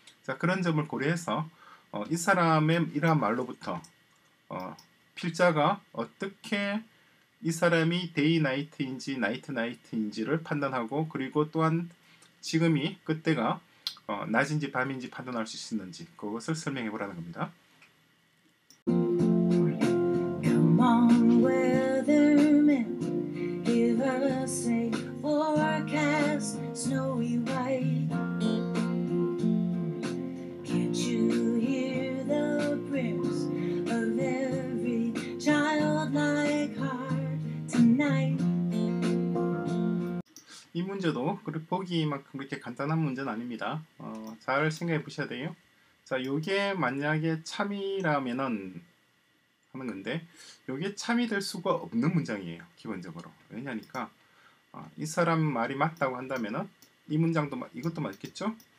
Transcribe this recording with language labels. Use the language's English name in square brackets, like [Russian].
[Korean] 자, 그런 점을 고려해서 이 사람의 이러한 말로부터 필자가 어떻게 이 사람이 데이 나이트인지 나이트 나이트인지를 판단하고 그리고 또한 지금이 그때가 낮인지 밤인지 판단할 수 있는지 그것을 설명해 보라는 겁니다. [English] Come on, weatherman, give us a safe forecast, snowy white. Can't you hear the prayers of every childlike heart tonight? [Korean] 이 문제도 그렇게 보기만큼 그렇게 간단한 문제는 아닙니다. 잘 생각해 보셔야 돼요. 자, 요게 만약에 참이라면은 하는 건데, 요게 참이 될 수가 없는 문장이에요. 기본적으로. 왜냐니까 이 사람 말이 맞다고 한다면은 이 문장도 이것도 맞겠죠?